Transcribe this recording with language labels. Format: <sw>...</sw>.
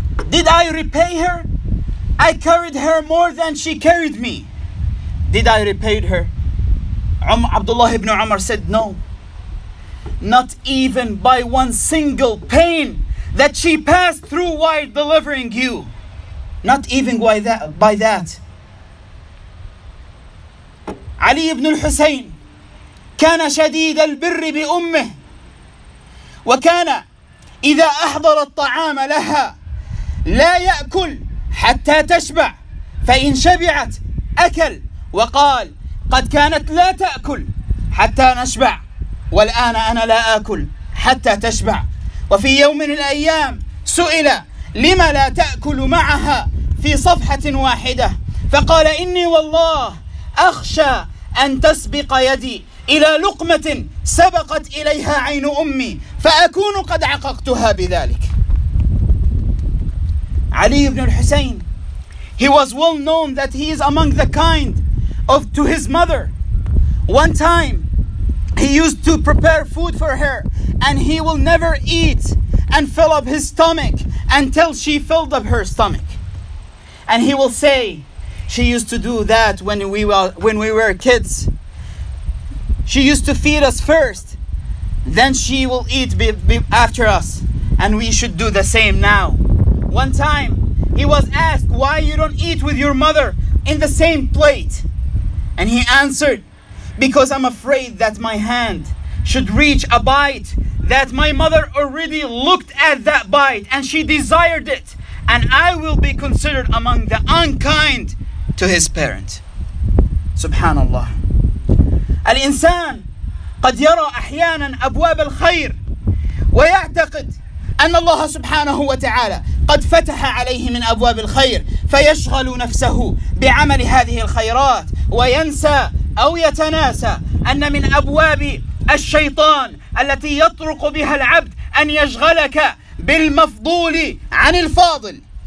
<en>Did I repay her? I carried her more than she carried me. Did I repay her? Abdullah ibn Umar said, no, not even by one single pain that she passed through while delivering you. Not even by that.</en> <ar>Ali ibn al-Husayn كان شديد البر بأمه وكان إذا أحضر الطعام لها لا يأكل حتى تشبع فإن شبعت أكل وقال قد كانت لا تأكل حتى نشبع والآن أنا لا أكل حتى تشبع وفي يوم من الأيام سئل لما لا تأكل معها في صفحة واحدة فقال إني والله أخشى أن تسبق يدي إلى لقمة سبقت إليها عين أمي فأكون قد عققتها بذلك.</ar> <en>علي بن الحسين, he was well known that he is among the kind of to his mother. One time he used to prepare food for her and he will never eat and fill up his stomach until she filled up her stomach. And he will say, she used to do that when we were kids. She used to feed us first, then she will eat after us, and we should do the same now. One time he was asked, why you don't eat with your mother in the same plate? And he answered, because I'm afraid that my hand should reach a bite that my mother already looked at that bite and she desired it, and I will be considered among the unkind to his parent.</en> <ar>Subhanallah. Al-insan qad yara ahyanan abwab al-khayr wa ya'taqid anna Allah subhanahu wa ta'ala qad fataha alayhi min abwab al-khayr fayashghalu nafsahu bi'amal hadhihi al-khayrat وينسى أو يتناسى أن من أبواب الشيطان التي يطرق بها العبد أن يشغلك بالمفضول عن الفاضل</ar>